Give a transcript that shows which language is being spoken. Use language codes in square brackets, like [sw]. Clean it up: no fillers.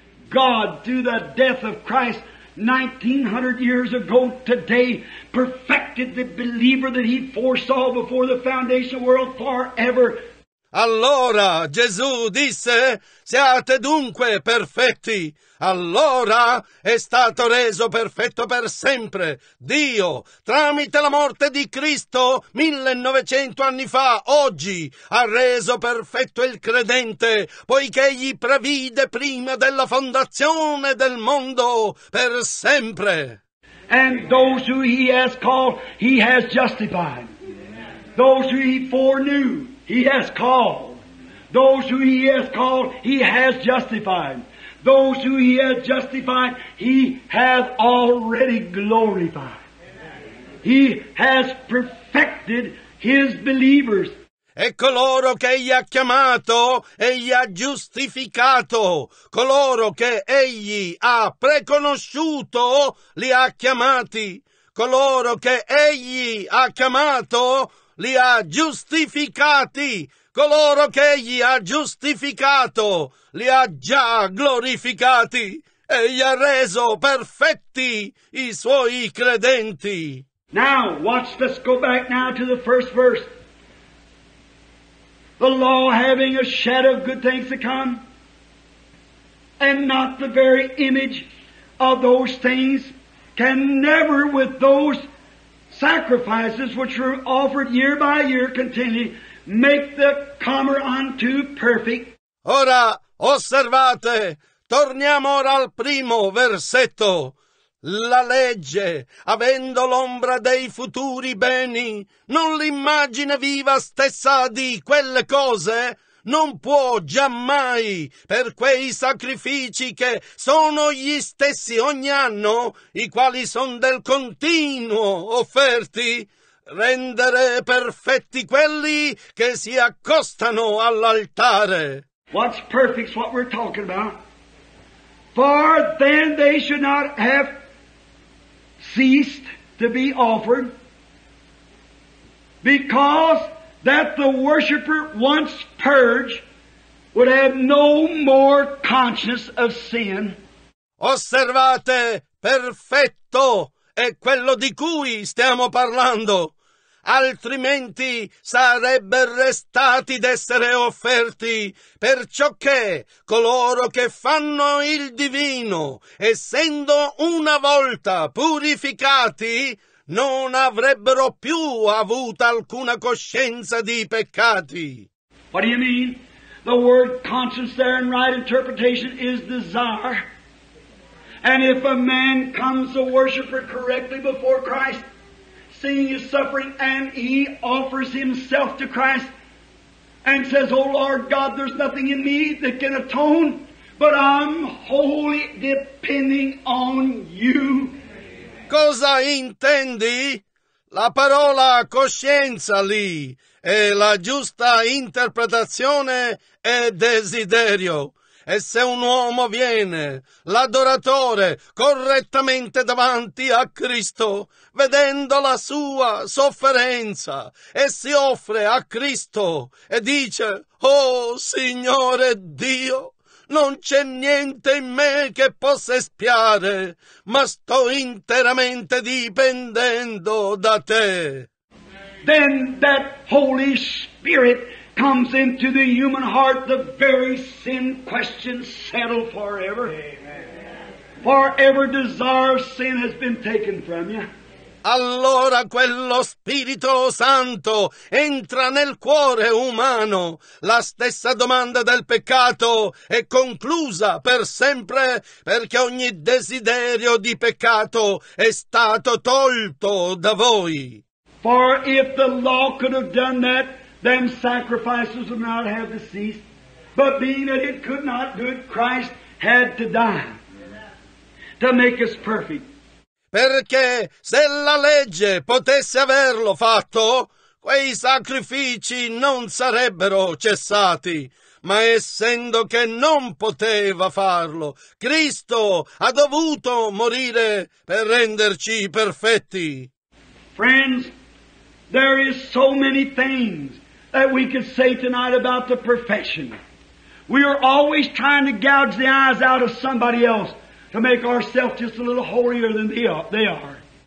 [en] God, through the death of Christ, 1900 years ago today, perfected the believer that he foresaw before the foundation of the world forever. [it] Allora Gesù disse, siate dunque perfetti. Allora è stato reso perfetto per sempre Dio tramite la morte di Cristo 1900 anni fa. Oggi ha reso perfetto il credente, poiché egli previde prima della fondazione del mondo per sempre. [en] And those who he has called, he has justified. Those who he foreknew, he has called. Those who he has called, he has justified. Those who he has justified, he has already glorified. He has perfected his believers. [it] E coloro che egli ha chiamato, egli ha giustificato. Coloro che egli ha preconosciuto, li ha chiamati. Coloro che egli ha chiamato, li ha giustificati. Coloro che egli ha giustificato, li ha già glorificati. Egli ha reso perfetti i suoi credenti. [en] Now, watch, let's go back now to the first verse. The law having a shadow of good things to come, and not the very image of those things, can never with those sacrifices which were offered year by year continually make the comer unto perfect. [it] Ora osservate, torniamo ora al primo versetto. La legge, avendo l'ombra dei futuri beni, non l'immagine viva stessa di quelle cose, non può giammai, per quei sacrifici che sono gli stessi ogni anno, i quali sono del continuo offerti, rendere perfetti quelli che si accostano all'altare. [en] What's perfect is what we're talking about. For then they should not have ceased to be offered, because that the worshipper once purged would have no more conscience of sin. [it] Osservate, perfetto è quello di cui stiamo parlando. Altrimenti sarebbero restati d'essere offerti, perciò che coloro che fanno il divino, essendo una volta purificati, non avrebbero più avuto alcuna coscienza di peccati. [en] What do you mean? The word conscience there in right interpretation is desire. And if a man comes a worshiper correctly before Christ, seeing his suffering, and he offers himself to Christ and says, "O Lord God, there's nothing in me that can atone, but I'm wholly depending on you." [it] Cosa intendi? La parola coscienza lì è la giusta interpretazione e desiderio. E se un uomo viene, l'adoratore, correttamente davanti a Cristo, vedendo la sua sofferenza, e si offre a Cristo e dice, "Oh Signore Dio, non c'è niente in me che possa espiare, ma sto interamente dipendendo da te." [en] Then that Holy Spirit comes into the human heart, the very sin question settled forever. Amen. Forever desire of sin has been taken from you. [it] Allora quello Spirito Santo entra nel cuore umano. La stessa domanda del peccato è conclusa per sempre, perché ogni desiderio di peccato è stato tolto da voi. [en] For if the law could have done that, then sacrifices would not have to cease. But being that it could not do it, Christ had to die to make us perfect. [it] Perché se la legge potesse averlo fatto, quei sacrifici non sarebbero cessati. Ma essendo che non poteva farlo, Cristo ha dovuto morire per renderci perfetti. [en] Friends, there is so many things that we could say tonight about the perfection. We are always trying to gouge the eyes out of somebody else to make ourselves just a little holier than they are.